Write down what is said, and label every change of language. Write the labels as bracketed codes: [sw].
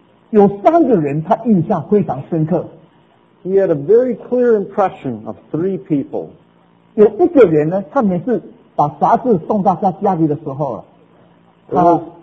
[zh] 有三个人他印象非常深刻。 [en] He had a very clear impression of three people. [zh] 有一个人呢，他每次把杂志送到他家里的时候，他